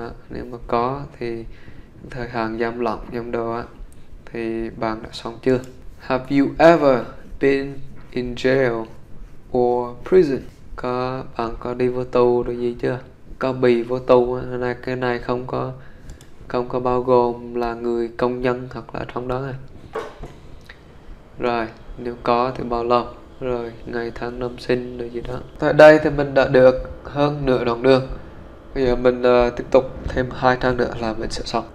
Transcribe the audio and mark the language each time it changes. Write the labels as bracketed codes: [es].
[vi] Nếu mà có thì thời hạn giam lỏng giam đồ á thì bạn đã xong chưa? [en] Have you ever been in jail or prison? [vi] Bạn có đi vô tù rồi gì chưa? Có bị vô tù là cái này không có bao gồm là người công nhân hoặc là trong đó này. Rồi, nếu có thì bao lâu? Rồi, ngày tháng năm sinh rồi gì đó. Tại đây thì mình đã được hơn nửa đoạn đường. Bây giờ mình tiếp tục thêm 2 trang nữa là mình sẽ xong.